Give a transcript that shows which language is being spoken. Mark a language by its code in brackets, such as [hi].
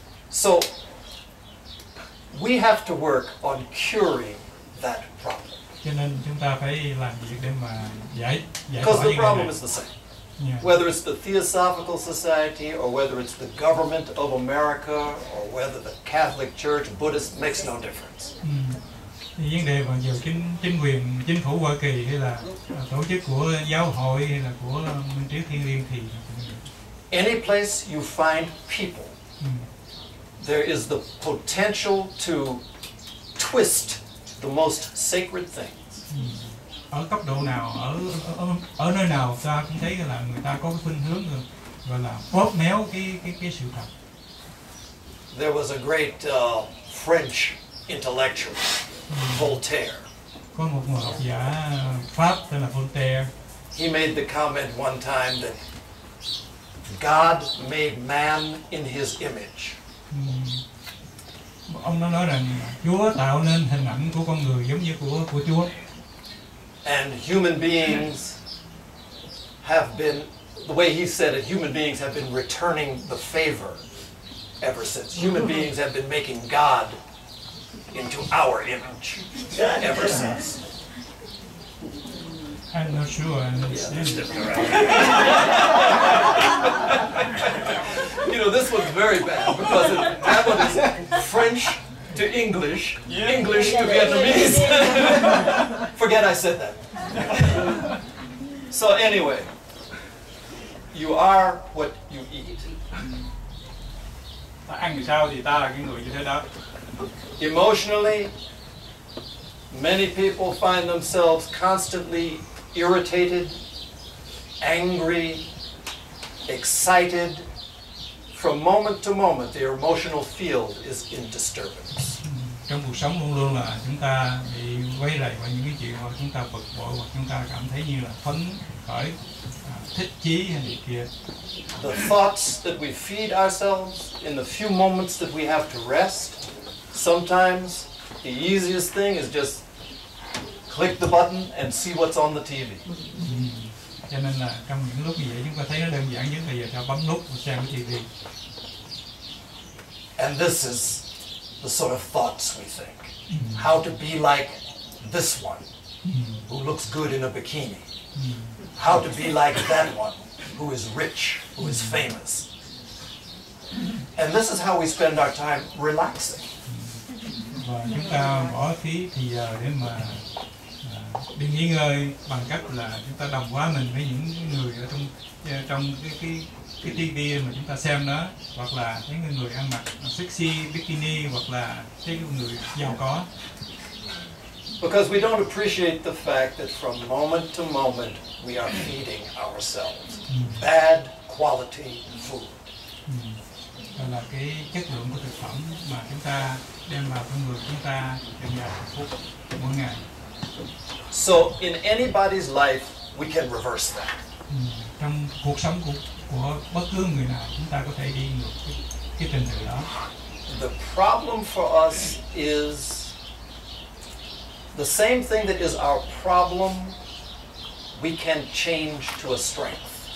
[en] So we have to work on curing that problem. [vi] Cho nên chúng ta phải làm việc để mà giải tỏa. [en] Because the problem is the same. Whether it's the Theosophical Society or whether it's the government of America or whether the Catholic Church, Buddhist, makes no difference. [vi] Vấn đề mà dù chính quyền, chính phủ Hoa Kỳ hay là tổ chức của giáo hội hay là của Minh Triết Thiên Liên thì... [en] Any place you find people, there is the potential to twist the most sacred things. [vi] Ở cấp độ nào, ở nơi nào ta cũng thấy là người ta có cái khuynh hướng gọi là bóp méo cái sự thật. [en] There was a great French intellectual. Voltaire. [vi] Có một người học giả Pháp tên là Voltaire. [en] He made the comment one time that God made man in his image. [vi] Ông nó nói rằng Chúa tạo nên hình ảnh của con người giống như của Chúa. [en] And human beings have been, the way he said it, human beings have been returning the favor ever since. Human beings have been making God into our image ever since. I'm not sure. You know, this one's very bad because that one is French to English, yeah. English to Vietnamese. Forget I said that. So anyway, you are what you eat. [vi] Ta ăn sao thì ta là cái người như thế đó. [en] Emotionally, many people find themselves constantly irritated, angry, excited. From moment to moment, their emotional field is in disturbance. [vi] Trong cuộc sống luôn luôn là chúng ta bị quấy rầy bởi những cái chuyện hoặc chúng ta bực bội hoặc chúng ta cảm thấy như là phấn khởi, thích chí hay gì kia. [en] The thoughts that we feed ourselves in the few moments that we have to rest, sometimes the easiest thing is just click the button and see what's on the TV. [vi] Cho nên là trong những lúc như vậy chúng ta thấy nó đơn giản nhất là giờ ta bấm nút xem cái TV. [en] And this is the sort of thoughts we think. How to be like this one who looks good in a bikini. How to be like that one who is rich, who is famous. And this is how we spend our time relaxing. [vi] Và chúng ta bỏ phí thì giờ để mà đi nghỉ ngơi bằng cách là chúng ta đồng hóa mình với những người ở trong cái TV mà chúng ta xem đó, hoặc là những người ăn mặc sexy bikini, hoặc là những người giàu có. [en] Because we don't appreciate the fact that from moment to moment we are feeding ourselves bad quality food. [vi] Đó là cái chất lượng của thực phẩm mà chúng ta đem vào trong người chúng ta trong nhà hạnh phúc mỗi ngày. [en] So in anybody's life we can reverse that. [vi] Trong cuộc sống của bất cứ người nào chúng ta có thể đi ngược cái tình hình đó. [en] The problem for us is the same thing that is our problem we can change to a strength.